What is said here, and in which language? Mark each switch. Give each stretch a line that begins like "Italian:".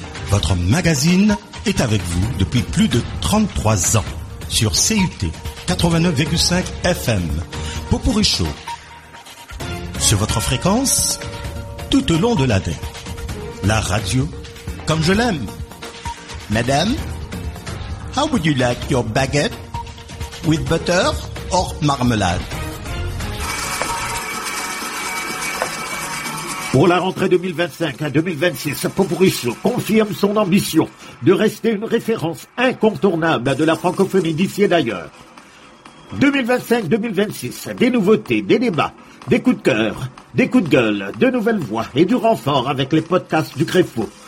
French: Votre magazine est avec vous depuis plus de 33 ans. Sur CUT 89,5 FM, Popouri Show, sur votre fréquence, tout au long de l'année, la radio, comme je l'aime.
English: Madame, how would you like your baguette, with butter or marmelade?
French: Pour la rentrée 2025 à 2026, Popouri Show confirme son ambition de rester une référence incontournable de la francophonie d'ici et d'ailleurs. 2025-2026, des nouveautés, des débats, des coups de cœur, des coups de gueule, de nouvelles voix et du renfort avec les podcasts du CREFO.